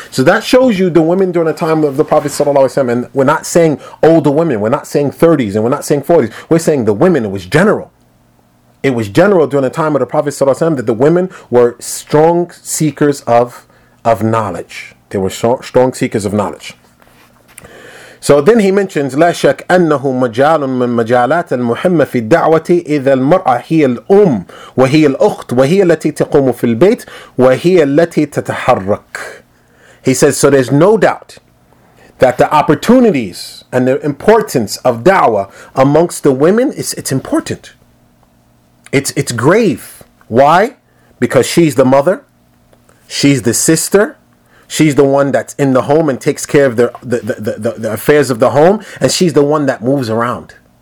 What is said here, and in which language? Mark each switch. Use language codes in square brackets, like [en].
[en] So that shows you the women during the time of the Prophet sallallahu alaihi wasallam. And we're not saying older women. We're not saying 30s and we're not saying 40s. We're saying the women. It was general. It was general during the time of the Prophet sallallahu alaihi wasallam that the women were strong seekers of knowledge. They were strong seekers of knowledge. So then he mentions, [ar] لا شك أنه مجال من مجالات المهمة في الدعوة إذا المرأة هي الأم وهي الأخت وهي التي تقوم في البيت وهي التي تتحرك. [en] He says, so there's no doubt that the opportunities and the importance of da'wah amongst the women, it's important. It's grave. Why? Because she's the mother, she's the sister, she's the one that's in the home and takes care of the affairs of the home, and she's the one that moves around.